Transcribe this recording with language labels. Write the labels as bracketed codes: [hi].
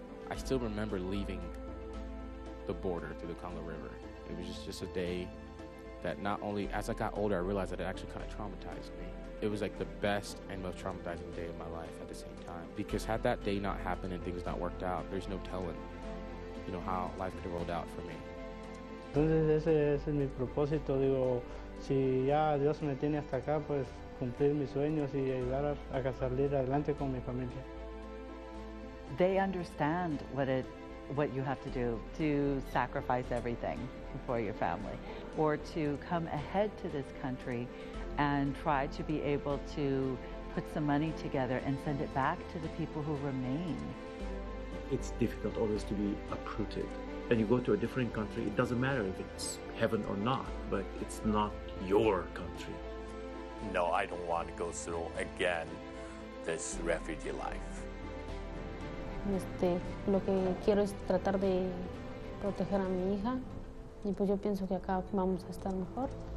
[en] I still remember leaving the border through the Congo River. It was just a day that not only, as I got older, I realized that it actually kind of traumatized me. It was like the best and most traumatizing day of my life at the same time. Because had that day not happened and things not worked out, there's no telling, you know, how life could have rolled out for me. [es] Entonces ese es mi propósito, digo, si ya Dios me tiene hasta acá, pues cumplir mis sueños y ayudar a salir adelante con mi familia. [en] They understand what it what you have to do to sacrifice everything for your family, or to come ahead to this country and try to be able to put some money together and send it back to the people who remain. It's difficult always to be uprooted. And you go to a different country, it doesn't matter if it's heaven or not, but it's not your country. No, I don't want to go through again this refugee life. [es] Lo que quiero es tratar de proteger a mi hija. Y pues yo pienso que acá vamos a estar mejor.